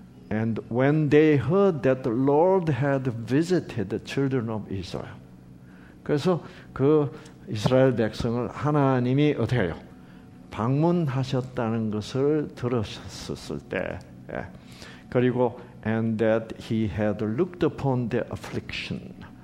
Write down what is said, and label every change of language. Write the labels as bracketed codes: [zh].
[en] And when they heard that the Lord had visited the children of Israel. [ko] 그래서 그 이스라엘 백성을 하나님이 어떻게 해요? 방문하셨다는 것을 들었을 때. 예. [en] 그리고 and that he had looked upon their affliction.